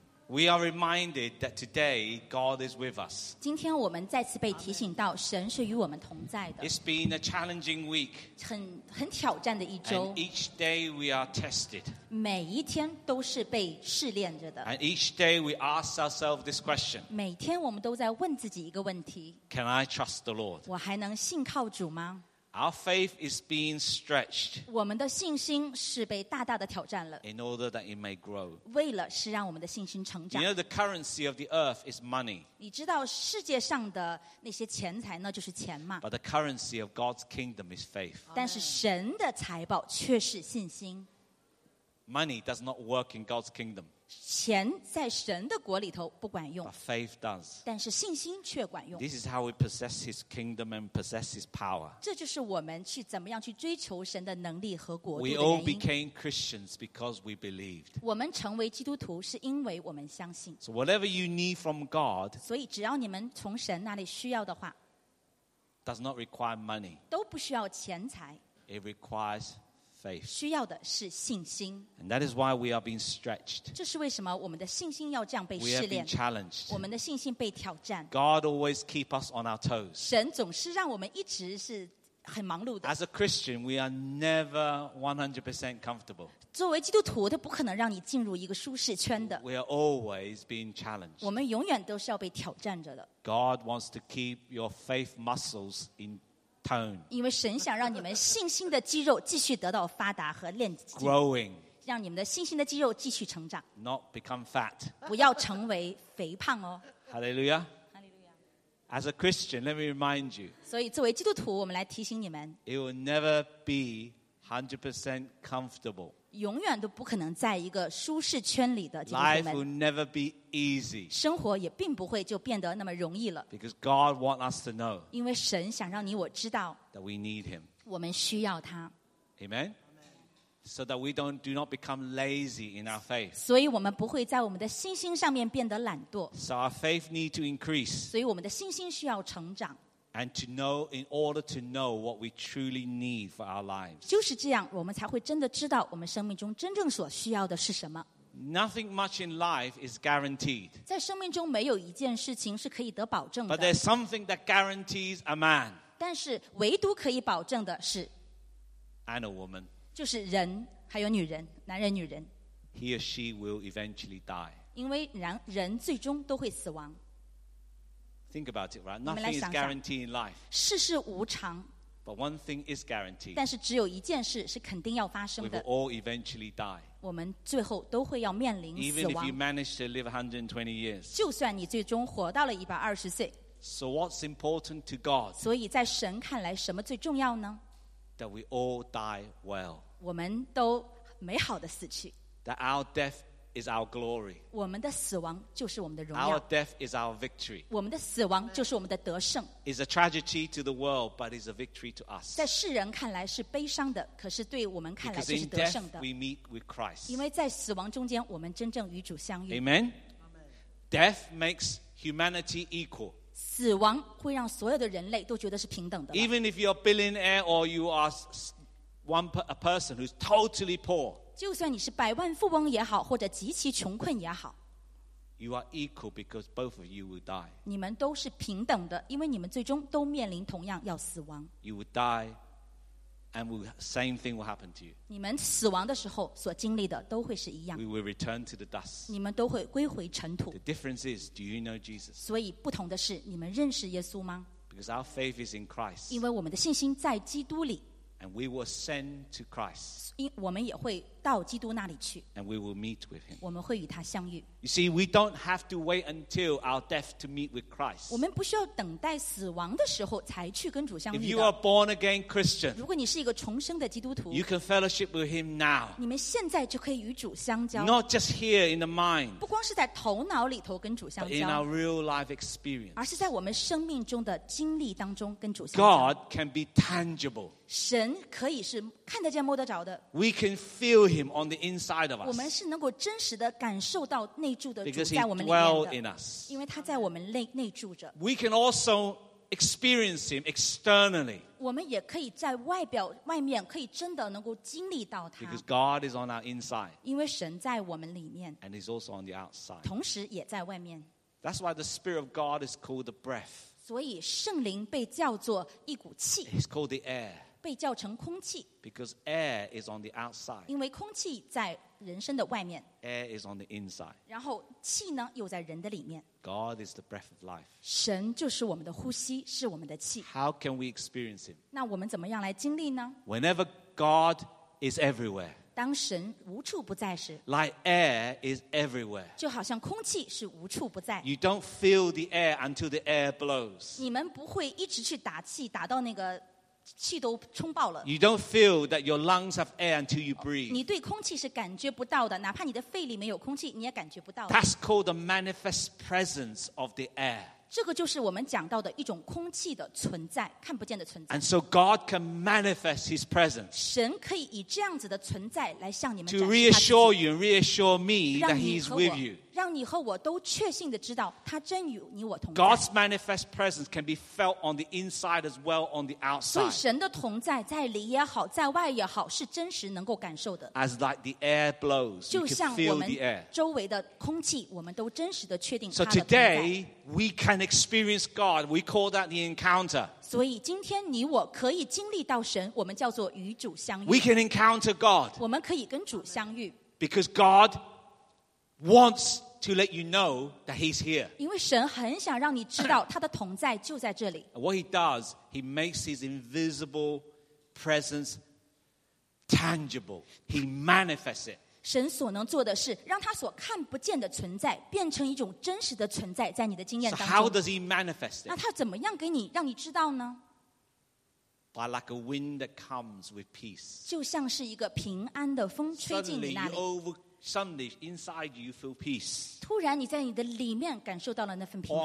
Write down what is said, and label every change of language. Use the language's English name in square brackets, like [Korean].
[English] We are reminded that today God is with us. [Chinese] 今天我们再次被提醒到神是与我们同在的。 [English] It's been a challenging week. [Chinese] 很挑战的一周。 [English] And each day we are tested. [Chinese] 每一天都是被试炼着的。 [English] And each day we ask ourselves this question. [Chinese] 每天我们都在问自己一个问题。 [English] Can I trust the Lord? [Chinese] 我还能信靠主吗？ [English] Our faith is being stretched. [Chinese] 我们的信心是被大大的挑战了。 [English] In order that it may grow. [Chinese] 为了是让我们的信心成长。 [English] You know the currency of the earth is money. [Chinese] 你知道世界上的那些钱财呢，就是钱嘛。 [English] But the currency of God's kingdom is faith. [Chinese] 但是神的财宝却是信心。 [English] Money does not work in God's kingdom. [Chinese] 钱在神的国里头不管用。 [English] But faith does. [Chinese] 但是信心却管用。 [English] This is how we possess his kingdom and possess his power. [Chinese] 这就是我们去怎么样去追求神的能力和国度的原因。 [English] We all became Christians because we believed. [Chinese] 我们成为基督徒是因为我们相信。 [English] So whatever you need from God, [Chinese] 所以只要你们从神那里需要的话, [English] does not require money. [Chinese] 都不需要钱财。 [English] It requires faith. [Chinese] 需要的是信心。 [English] And that is why we are being stretched. [Chinese] 这是为什么我们的信心要这样被试炼。 [English] We have been challenged. [Chinese] 我们的信心被挑战。 [English] God always keeps us on our toes. [Chinese] 神总是让我们一直是很忙碌的。 [English] As a Christian, we are never 100% comfortable. [Chinese] 作为基督徒，他不可能让你进入一个舒适圈的。 [English] We are always being challenged. [Chinese] 我们永远都是要被挑战着的。 [English] God wants to keep your faith muscles in [Chinese] 因为神想让你们信心的肌肉继续得到发达和练紧 [English] Growing, [Chinese] 让你们的信心的肌肉继续成长 [English] Not become fat [Chinese] 不要成为肥胖哦 [English] Hallelujah As a Christian, let me remind you [Chinese] 所以作为基督徒我们来提醒你们 [English] It will never be 100% comfortable [Chinese] 永远都不可能在一个舒适圈里的基督徒们 [English] Life will never be easy [Chinese] 生活也并不会就变得那么容易了 [English] Because God wants us to know [Chinese] 因为神想让你我知道 [English] That we need him [Chinese] 我们需要他 [English] Amen? So that we do not become lazy in our faith [Chinese] 所以我们不会在我们的信心上面变得懒惰 [English] So our faith needs to increase [Chinese] 所以我们的信心需要成长 [English] And to know, in order to know what we truly need for our lives. [Chinese] 就是这样，我们才会真的知道我们生命中真正所需要的是什么。 [English] Nothing much in life is guaranteed. [Chinese] 在生命中没有一件事情是可以得保证的。 [English] But there's something that guarantees a man. [Chinese] 但是唯独可以保证的是 [English] And a woman. [Chinese] 就是人，还有女人，男人女人。 [English] He or she will eventually die. [Chinese] 因为人最终都会死亡。 [English] Think about it, right? Nothing is guaranteed in life. [Chinese] 世事无常。 [English] But one thing is guaranteed. [Chinese] 但是只有一件事是肯定要发生的。 [English] We will all eventually die. [Chinese] 我们最后都会要面临死亡。 [English] Even if you manage to live 120 years. [Chinese] 就算你最终活到了120岁。 [English] So what's important to God? [Chinese] 所以在神看来什么最重要呢? [English] That we all die well. [Chinese] 我们都美好的死去。 [English] That our death is our glory. [Chinese] 我们的死亡就是我们的荣耀。 [English] Our death is our victory. [Chinese] 我们的死亡就是我们的得胜。 [English] It's a tragedy to the world, but it's a victory to us. [Chinese] 在世人看来是悲伤的，可是对我们看来就是得胜的。 [English] Because in death we meet with Christ. [Chinese] 因为在死亡中间，我们真正与主相遇。 [English] Amen. Death makes humanity equal. [Chinese] 死亡会让所有的人类都觉得是平等的。 [English] Even if you're a billionaire or you are a person who's totally poor. [Chinese] 就算你是百万富翁也好，或者极其穷困也好 [English] ，You are equal because both of you will die. [Chinese] 你们都是平等的，因为你们最终都面临同样要死亡。 [English] You will die, and the same thing will happen to you. [Chinese] 你们死亡的时候所经历的都会是一样。 [English] We will return to the dust. [Chinese] 你们都会归回尘土。 [English] The difference is, do you know Jesus? [Chinese] 所以不同的是，你们认识耶稣吗 [English] ？Because our faith is in Christ. [Chinese] 因为我们的信心在基督里。 [English] And we will send to Christ. [Chinese] 我们也会到基督那里去。 [English] And we will meet with him. [Chinese] 我们会与他相遇。 [English] You see, we don't have to wait until our death to meet with Christ. [Chinese] 我们不需要等待死亡的时候才去跟主相遇的。 [English] If you are born again Christian, [Chinese] 如果你是一个重生的基督徒 [English] you can fellowship with him now. [Chinese] 你们现在就可以与主相交。 [English] Not just here in the mind. [Chinese] 不光是在头脑里头跟主相交。 [English] But in our real life experience. [Chinese] 而是在我们生命中的经历当中跟主相交。 [English] God can be tangible. [Chinese] 神可以是看得见摸得着的。 [English] We can feel him on the inside of us. [Chinese] 我们是能够真实的感受到内住的主在我们里面的。 [English] Because he dwells in us. [Chinese] 因为他在我们内住着。 [English] We can also experience him externally. [Chinese] 我们也可以在外表外面可以真的能够经历到他。 [English] Because God is on our inside. [Chinese] 因为神在我们里面。 [English] And he's also on the outside. [Chinese] 同时也在外面。 [English] That's why the Spirit of God is called the breath. [Chinese] 所以圣灵被叫做一股气。 [English] It's called the air. [Chinese] 被叫成空气。 [English] Because air is on the outside. [Chinese] 因为空气在人身的外面。 [English] Air is on the inside. [Chinese] 然后气呢又在人的里面。 [English] God is the breath of life. [Chinese] 神就是我们的呼吸，是我们的气。 [English] How can we experience him? [Chinese] 那我们怎么样来经历呢？ [English] Whenever God is everywhere. [Chinese] 当神无处不在时。 [English] Like air is everywhere. [Chinese] 就好像空气是无处不在。 [English] You don't feel the air until the air blows. [Chinese] 你们不会一直去打气，打到那个气都冲爆了。 [English] You don't feel that your lungs have air until you breathe. [Chinese] 你对空气是感觉不到的，哪怕你的肺里面有空气，你也感觉不到。 [English] That's called the manifest presence of the air. [Chinese] 这个就是我们讲到的一种空气的存在，看不见的存在。 [English] And so God can manifest His presence. [Chinese] 神可以以这样子的存在来向你们展示。 [English] To reassure you, reassure me that He's with you. [Chinese] 让你和我都确信的知道，他真与你我同在。 [English] God's manifest presence can be felt on the inside as well on the outside. [Chinese] 所以神的同在在里也好，在外也好，是真实能够感受的。 [English] As like the air blows, you can feel the air. [Chinese] 就像我们周围的空气，我们都真实的确定他的存在。 [English] So today we can experience God. We call that the encounter. [Chinese] 所以今天你我可以经历到神，我们叫做与主相遇。 [English] We can encounter God. [Chinese] 我们可以跟主相遇。 [English] Because God wants to let you know that he's here. [Chinese] 因为神很想让你知道他的同在就在这里。 [English] What he does, he makes his invisible presence tangible. He manifests it. [Chinese] 神所能做的是让他所看不见的存在变成一种真实的存在在你的经验当中。 [English] So how does he manifest it? [Chinese] 那他怎么样给你让你知道呢？ [English] By like a wind that comes with peace. [Chinese] 就像是一个平安的风吹进你那里。 [English] Suddenly, inside you feel peace. [Chinese] 突然你在你的里面感受到了那份平安。